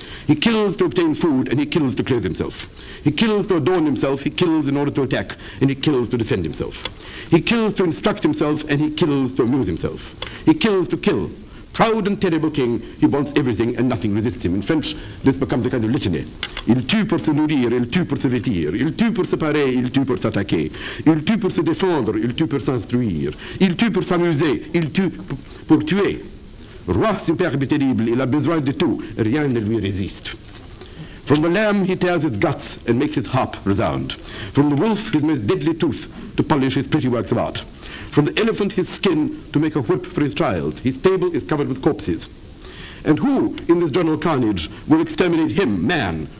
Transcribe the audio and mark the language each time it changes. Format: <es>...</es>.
<en>He kills to obtain food, and he kills to clothe himself. He kills to adorn himself, he kills in order to attack, and he kills to defend himself. He kills to instruct himself, and he kills to amuse himself. He kills to kill. Proud and terrible king, he wants everything and nothing resists him. In French, this becomes a kind of litany.</en> <fr>Il tue pour se nourrir, il tue pour se vêtir, il tue pour se parer, il tue pour s'attaquer, il tue pour se défendre, il tue pour s'instruire, il tue pour s'amuser, il tue pour tuer. Roi superbe et terrible, il a besoin de tout, rien ne lui résiste.</fr> <en>From the lamb, he tears his guts and makes his harp resound. From the wolf, his most deadly tooth to polish his pretty works of art. From the elephant, his skin to make a whip for his child. His table is covered with corpses. And who, in this general carnage, will exterminate him, man?</en>